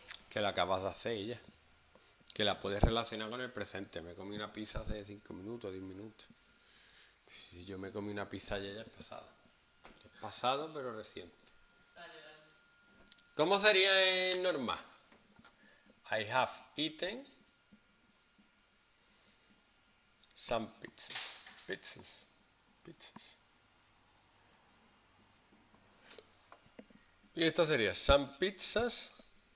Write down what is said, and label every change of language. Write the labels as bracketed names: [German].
[Spanish] Que la acabas de hacer ya. Que la puedes relacionar con el presente. Me comí una pizza hace 5 minutos, 10 minutos. Si yo me comí una pizza ya, ya es pasado. Es pasado, pero reciente. ¿Cómo sería en normal? [English] I have eaten some pizzas. [Spanish] Y esto sería [English] some pizzas.